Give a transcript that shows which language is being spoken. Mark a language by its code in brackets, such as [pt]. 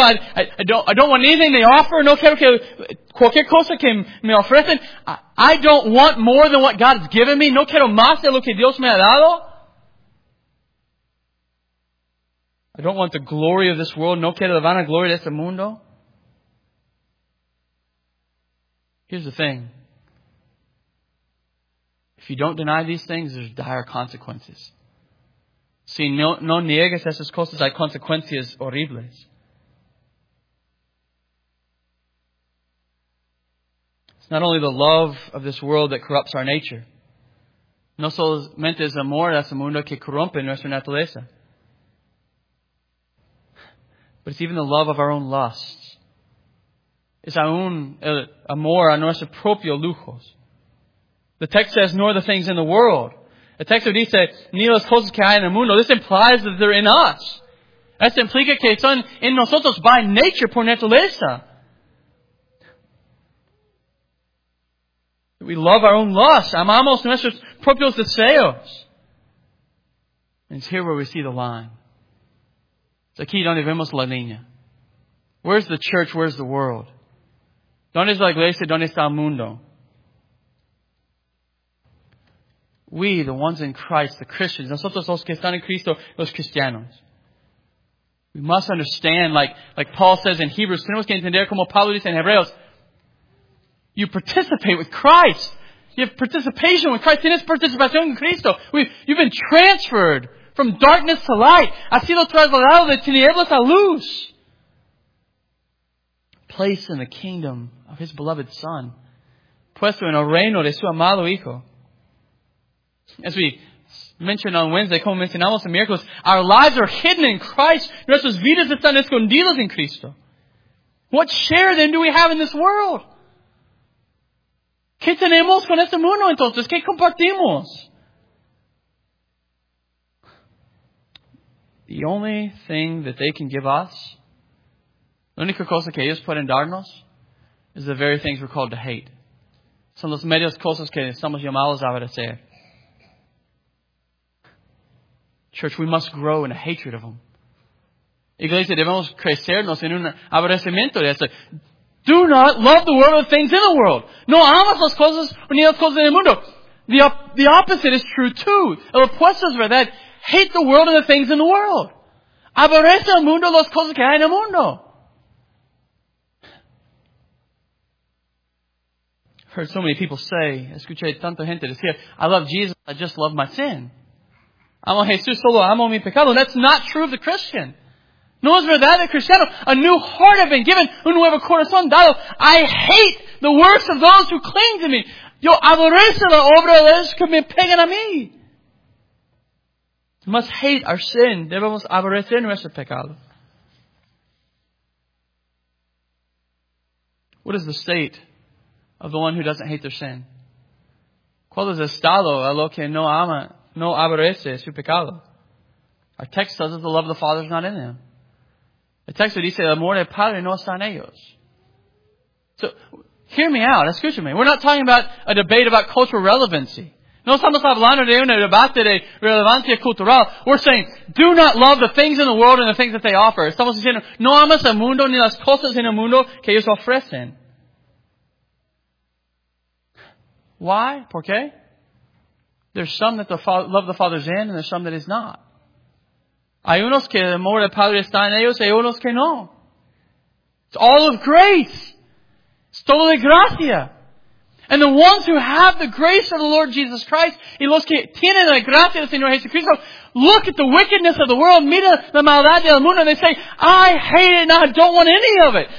[en] I don't want anything they offer. [es] No quiero que cualquier cosa que me ofrecen. [en] I don't want more than what God has given me. [es] No quiero más de lo que Dios me ha dado. [en] I don't want the glory of this world. [es] No quiero la vanagloria de este mundo. [en] Here's the thing. If you don't deny these things, there's dire consequences. [es] Si no niegas esas cosas, hay consecuencias horribles. [en] It's not only the love of this world that corrupts our nature. [es] No solamente es amor a ese mundo que corrompe nuestra naturaleza. [en] But it's even the love of our own lusts. [es] Es aún el amor a nuestros propios lujos. [en] The text says, nor the things in the world. [es] El texto dice, ni las cosas que hay en el mundo. [en] This implies that they're in us. [es] Esto implica que son en nosotros [en] by nature, [es] por naturaleza. [en] We love our own lust. [es] Amamos nuestros propios deseos. [en] And it's here where we see the line. It's [es] aquí donde vemos la línea. [en] Where's the church? Where's the world? [es] ¿Dónde está la iglesia? ¿Dónde está el mundo? [en] We, the ones in Christ, the Christians, [es] nosotros los que están en Cristo, los cristianos. [en] We must understand, like Paul says in Hebrews, [es] tenemos que entender como Pablo dice en Hebreos, [en] you participate with Christ. You have participation with Christ. [es] Tienes participación en Cristo. [en] You've been transferred from darkness to light. [es] Ha sido trasladado de tinieblas a luz. [en] Placed in the kingdom of His beloved Son. [es] Puesto en el reino de su amado Hijo. [en] As we mentioned on Wednesday, [es] como mencionamos en miércoles, [en] our lives are hidden in Christ. [es] Nuestras vidas están escondidas en Cristo. [en] What share then do we have in this world? [es] ¿Qué tenemos con este mundo entonces? ¿Qué compartimos? [en] The only thing that they can give us, [es] la única cosa que ellos pueden darnos, [en] is the very things we're called to hate. [es] Son las medias cosas que estamos llamados a aborrecer. [en] Church, we must grow in a hatred of them. [es] Iglesia, debemos crecernos en un aborrecimiento de eso. [en] Do not love the world or the things in the world. [es] No amas las cosas ni las cosas del mundo. [en] The opposite is true too. [es] El opuesto es verdad. [en] Hate the world and the things in the world. [es] Aborrece el mundo las cosas que hay en el mundo. [en] Heard so many people say, [es] escuché tanta gente decir, [en] I love Jesus, I just love my sin. [es] Amo a Jesús solo, amo mi pecado. [en] That's not true of the Christian. [es] No es verdad de cristiano. [en] A new heart has been given, [es] un nuevo corazón dado. [en] I hate the works of those who cling to me. [es] Yo aborrece la obra de los que me pegan a mí. [en] We must hate our sin. [es] Debemos aborrecer nuestro pecado. [en] What is the state of the one who doesn't hate their sin? [es] ¿Cuál es el estado a lo que no ama, no aborrece su pecado? [en] Our text tells us the love of the Father is not in them. The text [es] dice, el amor del Padre no está en ellos. [en] So, hear me out, excuse me. We're not talking about a debate about cultural relevancy. [es] No estamos hablando de una debate de relevancia cultural. [en] We're saying, do not love the things in the world and the things that they offer. [es] Estamos diciendo, no amas el mundo ni las cosas en el mundo que ellos ofrecen. [en] Why? [es] ¿Por qué? [en] There's some that the love the Father's in, and there's some that is not. [es] Hay unos que el amor del Padre está en ellos, hay unos que no. [en] It's all of grace. [es] Es todo de gracia. [en] And the ones who have the grace of the Lord Jesus Christ, [es] y los que tienen la gracia del Señor Jesucristo, [en] look at the wickedness of the world, [es] mira la maldad del mundo, [en] and they say, I hate it and I don't want any of it.